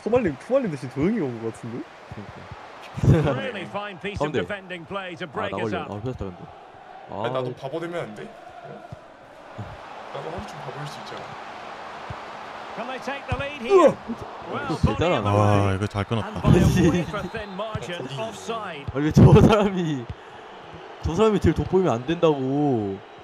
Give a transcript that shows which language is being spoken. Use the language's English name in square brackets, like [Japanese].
[Korean] 후발님 후발님 대신 도영이 온 것 같은데 [English] really fine piece of defending play to break it up [Korean] 아 나도 바보 되면 안 돼 나도 바보 될 수 있잖아. [English] Can they take the lead here? [Korean] 와 이거 잘 끊었다. 아니 저 사람이 저 사람이 제일 돋보이면 안 된다고.